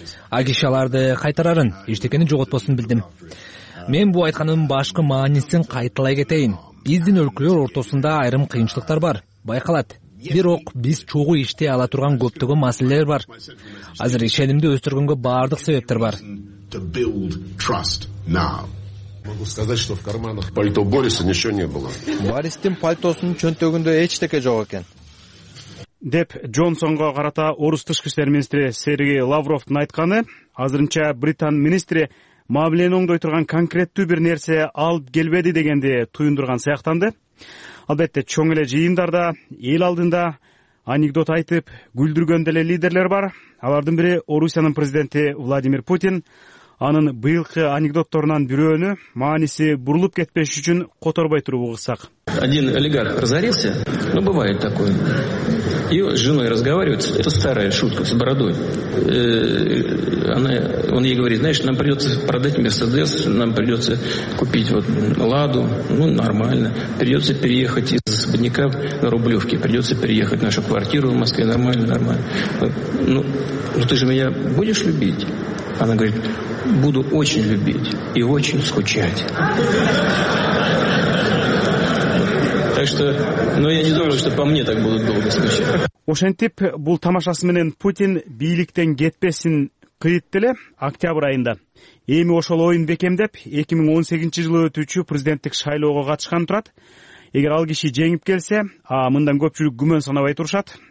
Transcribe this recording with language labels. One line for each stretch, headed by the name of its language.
Kyrgyz: Агишаларды кайтарарын, эчтекени жоготпосун билдим. Мен бул айтканымдын башкы маанисин кайталай кетейин. Биздин өлкөлөр ортосунда айрым кыйынчылыктар бар, байкалат. Бирок биз чогуу иштей ала турган көптөгөн маселелер бар. Азыр ишенимди өстүргөнгө баардык себептер бар.
Russian: Могу сказать, что в карманах пальто Бориса ничего не было.
Kyrgyz: Бористин пальтосунун чөнтөгүндө эч нерсе жок экен. Деп Джонсонго карата орус тышкы иштер министри Сергей Лавровдун айтканы, азырынча Британ министри мамилени оңдой турган конкреттүү бир нерсе алып келбеди дегенди туюндурган сыяктанды. Албетте, чоң эле жыйындарда эл алдында анекдот айтып күлдүргөн деле лидерлер бар. Алардын бири Орусиянын президенти Владимир Путин. Анын быйылкы анекдотторунан бирөөнү мааниси бурулуп кетпеш үчүн которбой туруп угусак.
Russian: Один олигарх разорился, ну бывает такое. И с женой разговаривает, это старая шутка с бородой. Он ей говорит, знаешь, нам придется продать Мерседес, нам придется купить вот Ладу, ну нормально. Придется переехать из особняка на Рублевке, придется переехать в нашу квартиру в Москве, нормально, нормально. Ну ты же меня будешь любить? Она говорит, буду очень любить и очень скучать. Так что, но я не думаю, что по мне так будут долго скучать.
Kyrgyz: Ошентип бул тамашасы менен Путин бийликтен кетпесин кыйытты эле октябрь айында. Эми ошол оюн бекемдеп 2018 жылы өтүүчү президенттик шайлоого катышкан турат. Эгер ал киши жеңип келсе, мындан көпчүлүк күмөн санабай турушат.